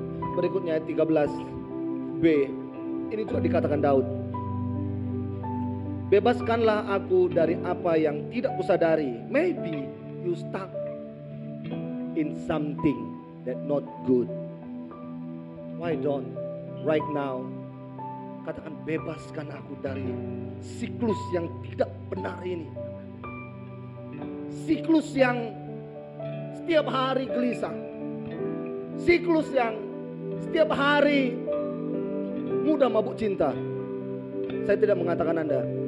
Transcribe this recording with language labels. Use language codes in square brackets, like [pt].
[id] Berikutnya 13b, ini juga dikatakan Daud. Bebaskanlah aku dari apa yang tidak kusadari. [en] Maybe you stuck in something that not good. Why don't right now [id] katakan, bebaskan aku dari siklus yang tidak benar ini. Siklus yang setiap hari gelisah. Siklus yang setiap hari mudah mabuk cinta. Saya tidak mengatakan Anda.